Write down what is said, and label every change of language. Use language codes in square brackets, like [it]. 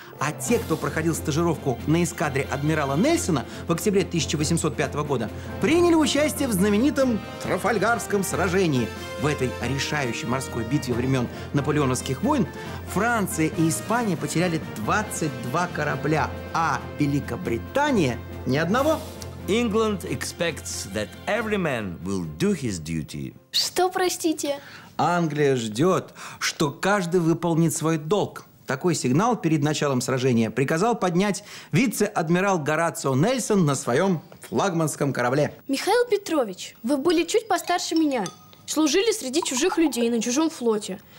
[ru] А те, кто проходил стажировку на эскадре адмирала Нельсона в октябре 1805 года, приняли участие в знаменитом Трафальгарском сражении. В этой решающей морской битве времен наполеоновских войн Франция и Испания потеряли 22 корабля, а Великобритания – ни одного. [en] England expects that every man will do his duty. [ru] Что, простите? Англия ждет, что каждый выполнит свой долг. Такой сигнал перед началом сражения приказал поднять вице-адмирал Горацио Нельсон на своем флагманском корабле. Михаил Петрович, вы были чуть постарше меня. Служили среди чужих людей на чужом флоте.